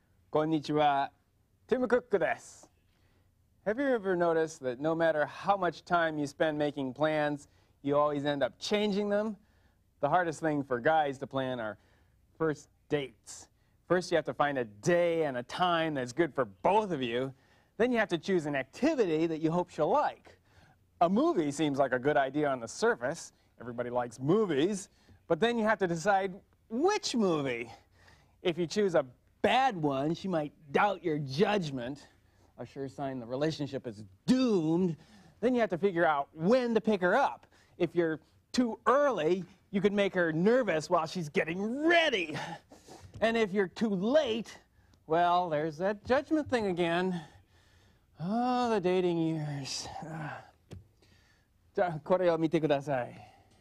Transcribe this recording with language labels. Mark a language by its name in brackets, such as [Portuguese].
[Japanese] こんにちは、ティム・クックです。 [English] Have you ever noticed that no matter how much time you spend making plans, you always end up changing them? The hardest thing for guys to plan are first dates. First, you have to find a day and a time that's good for both of you. Then you have to choose an activity that you hope she'll like. A movie seems like a good idea on the surface. Everybody likes movies. But then you have to decide which movie. If you choose a bad one, she might doubt your judgment, a sure sign the relationship is doomed. Then you have to figure out when to pick her up. If you're too early, you could make her nervous while she's getting ready. And if you're too late, well, there's that judgment thing again. Oh, the dating years. [Japanese] じゃあ、これを見てください。